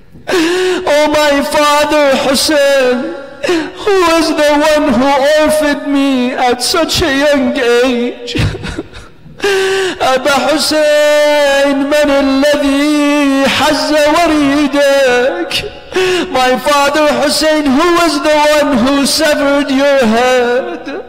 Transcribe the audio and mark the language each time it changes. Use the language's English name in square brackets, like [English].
[English] Oh my father Hussein, who is the one who orphaned me at such a young age? [Arabic] أبا حسين من الذي حز وريدك. [English] My father Hussein, who was the one who severed your head?